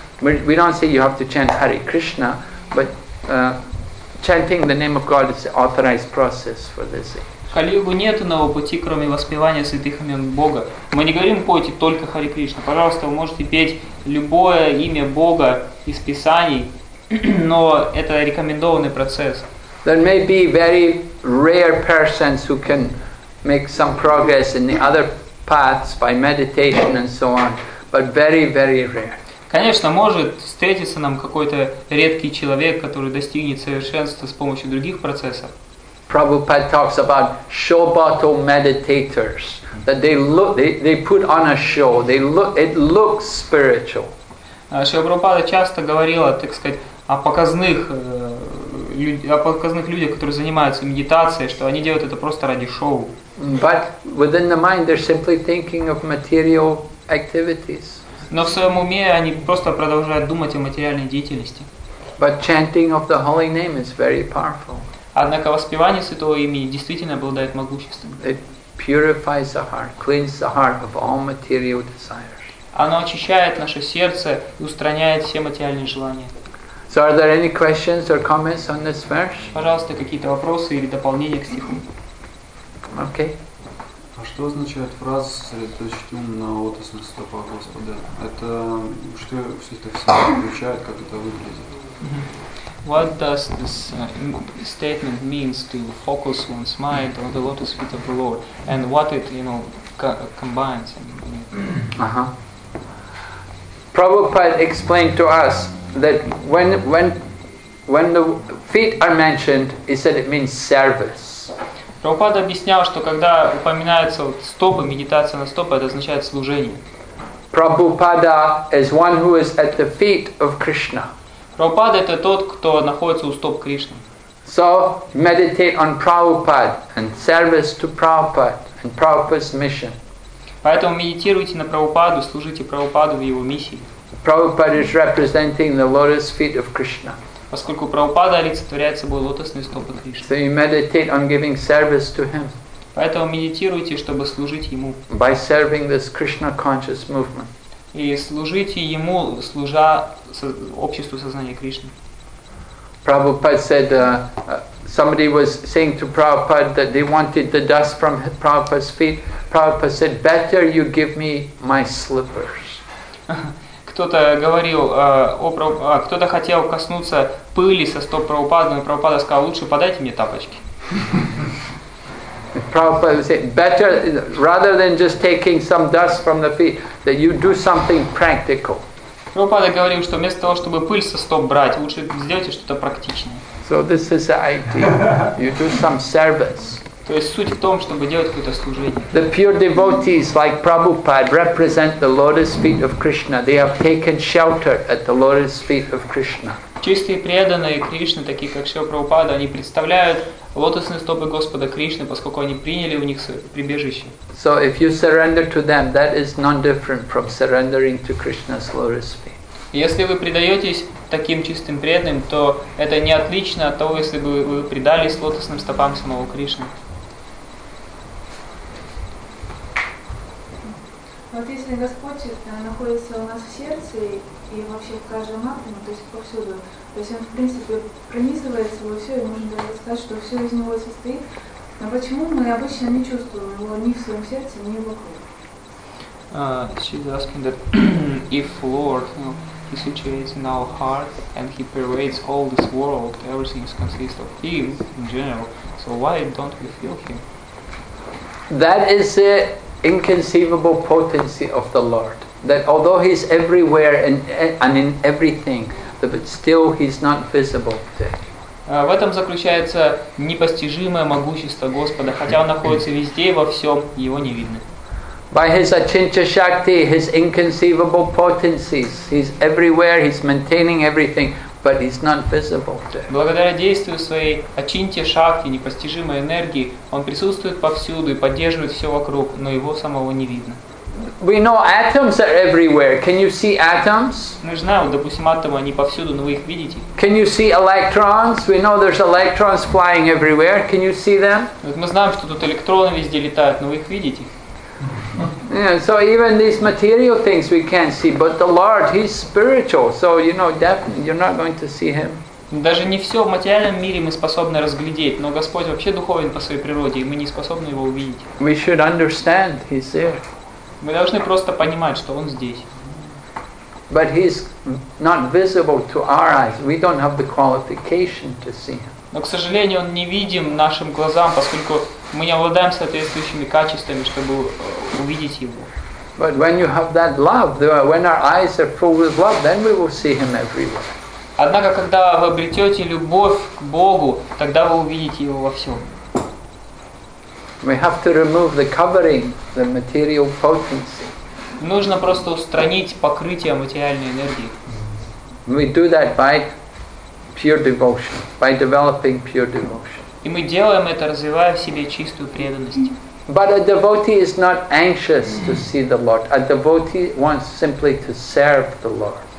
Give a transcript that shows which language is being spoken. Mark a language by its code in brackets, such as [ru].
[en] We don't say you have to chant Hare Krishna, but chanting the name of God is the authorized process for this. [ru] Калиюгу нет иного пути, кроме воспевания святых имен Бога. Мы не говорим пойте только Хари Кришна. Пожалуйста, вы можете петь любое имя Бога из Писаний, но это рекомендованный процесс. [en] There may be very rare persons who can make some progress in the other paths by meditation and so on, but very, very rare. [ru] Конечно, может встретиться нам какой-то редкий человек, который достигнет совершенства с помощью других процессов. [en] Prabhupada talks about showboto meditators, that they put on a show, it looks spiritual. [ru] Шрила Прабхупада часто говорил, так сказать, о показных людях, которые занимаются медитацией, что они делают это просто ради шоу. [en] But within the mind they're simply thinking of material activities. [ru] Но в своем уме они просто продолжают думать о материальной деятельности. [en] But chanting of the holy name is very powerful. [ru] Однако воспевание святого имени действительно обладает могуществом. [en] It purifies the heart, cleans the heart of all material desires. [ru] Оно очищает наше сердце и устраняет все материальные желания. [en] So are there any questions or comments on this verse? [ru] Пожалуйста, какие-то вопросы или дополнения к стиху? [en] Okay. [ru] А что означает фраза «сосредоточить ум на лотосных стопах Господа»? Это что это все включает, как это выглядит? [en] What does this statement means to focus one's mind on the lotus feet of the Lord, and what it, you know, combines? Prabhupada explained to us that when the feet are mentioned, he said it means service. [ru] Prabhupada объяснял, что когда упоминаются стопы, медитация на стопы, это означает служение. [en] Prabhupada is one who is at the feet of Krishna. [ru] Прабхупада — это тот, кто находится у стоп Кришны. [en] So meditate on Prabhupada and service to Prabhupada and Prabhupada's mission. [ru] Поэтому медитируйте на Прабхупаду, служите Прабхупаду в его миссии. [en] Prabhupada is representing the lotus feet of Krishna. [ru] Поскольку Прабхупада олицетворяет собой лотосные стопы Кришны. [en] So you meditate on giving service to him. [ru] Поэтому медитируйте, чтобы служить ему. [en] By serving this Krishna conscious movement. [ru] И служите ему, служа обществу сознания Кришны. [en] Prabhupada said somebody was saying to Prabhupada that they wanted the dust from Prabhupada's feet. Prabhupada said, better you give me my slippers. [ru] Кто-то говорил, кто-то хотел коснуться пыли со стоп Прабхупады, но Прабхупада сказал, лучше подайте мне тапочки. [en] Prabhupada said, better rather than just taking some dust from the feet, that you do something practical. [ru] Prabhupada говорил, что вместо того, чтобы пыль со стоп брать, лучше сделайте что-то практичное. [en] So this is the idea. You do some service. [ru] То есть суть в том, чтобы делать какое-то служение. [en] The pure devotees like Prabhupada represent the lotus feet of Krishna. They have taken shelter at the lotus feet of Krishna. [ru] Чистые преданные Кришны, такие как Шрила Прабхупада, они представляют лотосные стопы Господа Кришны, поскольку они приняли у них прибежище. [en] So if you surrender to them, that is no different from surrendering to Krishna's lotus feet. [ru] Если вы предаетесь таким чистым преданным, то это не отлично от того, если бы вы предались лотосным стопам самого Кришны. Вот если, Господь находится у нас в сердце и вообще в каждом атоме, то есть повсюду, то есть он, в принципе, пронизывает его все, и можно даже сказать, что все из него состоит. Но почему мы обычно не чувствуем его ни в своем сердце, ни вокруг? [en] She's asking that if Lord, you know, he situates in our heart and he pervades all this world, everything consists of him in general, so why don't we feel him? That is the inconceivable potency of the Lord. That although he's everywhere and in everything, but still he's not visible today. [ru] В этом заключается непостижимое могущество Господа, хотя он находится везде и во всем, его не видно. [en] By his achincha shakti, his inconceivable potencies, he's everywhere, he's maintaining everything, but he's not visible today. [ru] Благодаря действию своей ачинтья шакти, непостижимой энергии, он присутствует повсюду и поддерживает все вокруг, но его самого не видно. [en] We know atoms are everywhere. Can you see atoms? [ru] Мы знаем, допустим, атомы, они повсюду, но вы их видите? [en] Can you see electrons? We know there's electrons flying everywhere. Can you see them? [ru] Мы знаем, что тут электроны везде летают, но вы их видите? [en] So even these material things we can't see, but the Lord, He's spiritual. So you know, definitely you're not going to see Him. [ru] Даже не все в материальном мире мы способны разглядеть, но Господь вообще духовен по своей природе, и мы не способны его увидеть. [en] We should understand He's there. [ru] Мы должны просто понимать, что Он здесь. [en] But He's not visible to our eyes. We don't have the qualification to see Him. [ru] Но, к сожалению, Он невидим нашим глазам, поскольку мы не обладаем соответствующими качествами, чтобы увидеть Его. [en] But when you have that love, when our eyes are full with love, then we will see Him everywhere. [ru] Однако, когда вы обретете любовь к Богу, тогда вы увидите Его во всем. [en] We have to remove the covering, the material potency. [ru] Нужно просто устранить покрытие материальной энергии. [en] We do that by pure devotion, by developing pure devotion. [ru] И мы делаем это, развивая в себе чистую преданность. [en] But a devotee is not anxious to see the Lord. A devotee wants simply to serve the Lord.